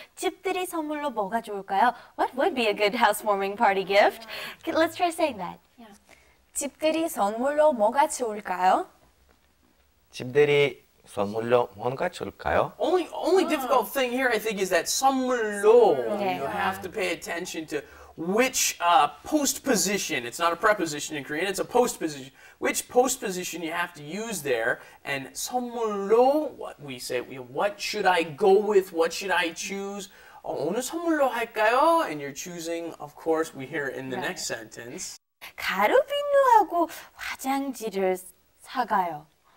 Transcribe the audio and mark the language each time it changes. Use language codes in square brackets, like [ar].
[ko] 집들이 선물로 뭐가 좋을까요? [en] What would be a good housewarming party gift? Yeah. Let's try saying that. Yeah. [ko] 집들이 선물로 뭐가 좋을까요? 집들이 선물로 뭔가 좋을까요? [en] Only difficult thing here, I think, is that 선물로. Okay. You have to pay attention to which postposition. It's not a preposition in Korean, it's a postposition. Which postposition you have to use there, and 선물로, what we say, what should I go with, what should I choose? [ko] 오늘 선물로 할까요? [en] And you're choosing, of course, we hear in the next sentence. [ko] 가루비누하고 화장지를 사가요.